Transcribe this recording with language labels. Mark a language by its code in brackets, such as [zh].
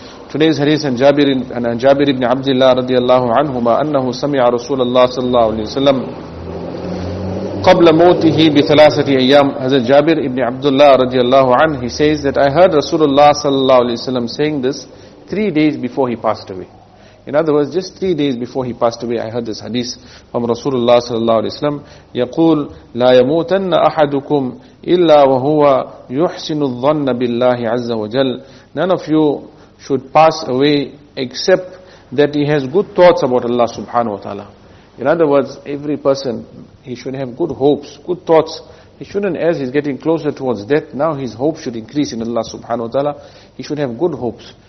[en] Today's hadith and [ar] Jabir ibn Abdullah radiallahu anhuma, annahu sami'a Rasulullah sallallahu alayhi wa sallam قبل موته بثلاثة أيام. [en] Hazrat Jabir ibn Abdullah radiallahu anhu, he says that I heard Rasulullah sallallahu alayhi wa sallam saying this 3 days before he passed away. In other words, just 3 days before he passed away, I heard this hadith from Rasulullah sallallahu alayhi wa sallam. [ar] يقول لا يموتن أحدكم إلا وهو يحسن الظن بالله عز وجل. [en] None of you should pass away except that he has good thoughts about Allah subhanahu wa ta'ala. In other words, every person, he should have good hopes, good thoughts. He shouldn't, as he's getting closer towards death, now his hope should increase in Allah subhanahu wa ta'ala. He should have good hopes.